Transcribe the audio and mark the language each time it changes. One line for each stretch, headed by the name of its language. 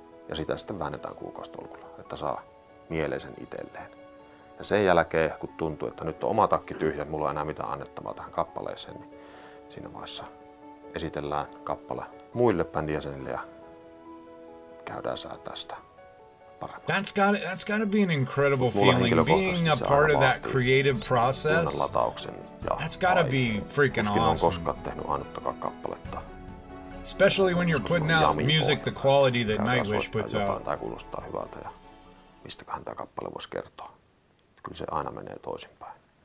Finnish: Ja sitä sitten väännetään kuukausitolkulla, että saa mieleisen itselleen. Ja sen jälkeen, kun tuntuu, että nyt on oma takki tyhjä, mulla ei enää mitään annettavaa tähän kappaleeseen, niin siinä vaiheessa esitellään kappale muille bändin jäsenille ja käydään säätää sitä paremmin.
English: That's gotta be an incredible feeling, being a part of that creative process. That's gotta be freaking awesome.
Finnish: Tuskin on koskaan tehnyt ainuttakaan kappaletta
English: Especially when you're putting out music the quality that Nightwish puts out.
Finnish: Tää kuulostaa hyvältä ja mistäköhän tää kappale voisi kertoa. Kyllä se aina menee toisinpäin.